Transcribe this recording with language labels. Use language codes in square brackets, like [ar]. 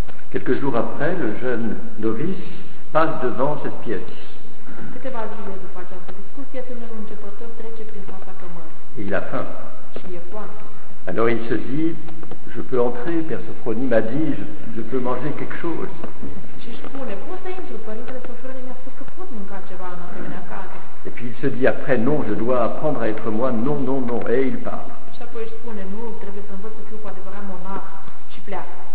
[fr] Quelques jours après, le jeune novice passe devant cette pièce. [ro] Câteva zile după această discuție, tânărul începător trece prin fața cămării. [fr] Il a faim. [ro] Și e foame. [fr] Alors il se dit, je peux entrer, Père Sofronie m'a dit, je peux manger quelque chose. [ro] Și spune, pot să intru, Părintele Sofronie mi-a spus că pot mânca ceva în asemenea cale. [fr] Et puis il se dit après, non, je dois apprendre à être moine, non, non, non, et il part. [ro] Și apoi își spune, nu, trebuie să învăț să fiu cu adevărat monah și pleacă.